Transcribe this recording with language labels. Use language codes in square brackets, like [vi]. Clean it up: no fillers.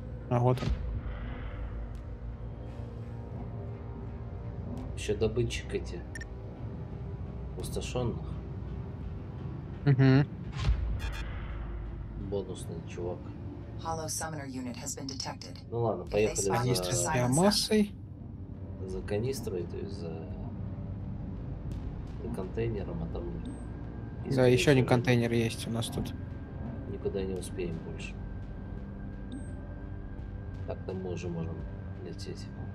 [ru] Вот еще добытчик эти пустошенных. Угу. Бонусный чувак. [en] Hollow summoner unit has been detected. [ru] Ну ладно, поехали канистры за биомассой. За канистрой, то есть за контейнером, а там. Да, еще один контейнер есть у нас тут. Никуда не успеем больше. Так, там мы уже можем лететь.